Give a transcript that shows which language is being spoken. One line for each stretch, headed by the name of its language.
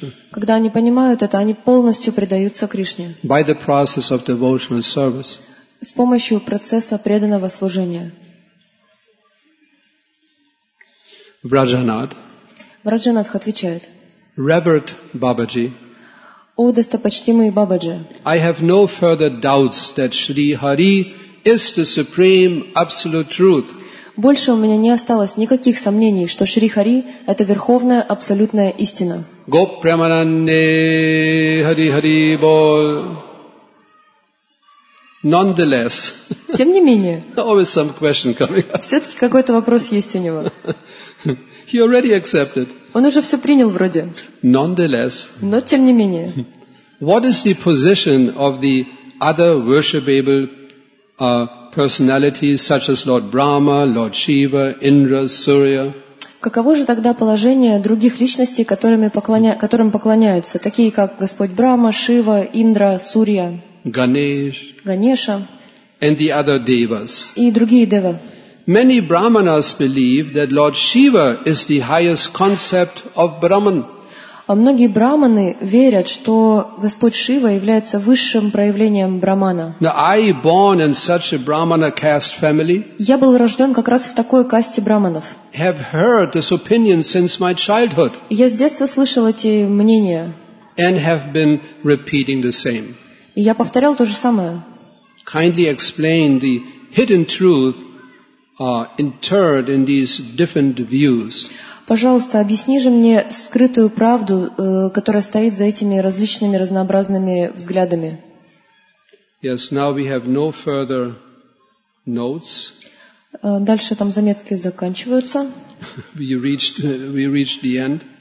Russian: Когда они понимают это, они полностью предаются Кришне.
English: By the process of devotional service.
Russian: С помощью процесса преданного служения. Враджанад. Враджанад отвечает.
English: Reverend Бабаджи.
Russian: О, достопочтимый Бабаджи.
English: I have no further doubts that Shri Hari is the supreme absolute truth.
Russian: Больше у меня не осталось никаких сомнений, что Шри Хари это верховная абсолютная истина. Гоп Премананде Хари Хари Бол.
English: Nonetheless.
Russian: Тем не менее.
English: Always some question coming.
Russian: Все-таки какой-то вопрос есть у него.
English: He already accepted.
Russian: Он уже все принял вроде.
English: Nonetheless.
Russian: Но тем не менее.
English: What is the position of the other worshipable personalities such as Lord Brahma, Lord Shiva, Indra, Surya?
Russian: Каково же тогда положение других личностей, которым поклоняются, такие как Господь Брахма, Шива, Индра, Сурья? Ганеш. Ганеша.
English: And the other devas.
Russian: И другие девы.
English: Many brahmanas believe that Lord Shiva is the highest concept of Brahman.
Russian: А многие брахманы верят, что Господь Шива является высшим проявлением Брахмана.
English: Now, I born in such a brahmana caste family.
Russian: Я был рожден как раз в такой касте брахманов.
English: Have heard this opinion since my childhood.
Russian: Я с детства слышал эти мнения.
English: And have been repeating the same.
Russian: И я повторял то же самое.
English: Kindly explain the hidden truth. Interred in these different views.
Russian: Пожалуйста, объясни же мне скрытую правду, которая стоит за этими различными разнообразными взглядами.
English: Yes, now we have no further notes.
Russian: Дальше там заметки заканчиваются.
English: We reached the end.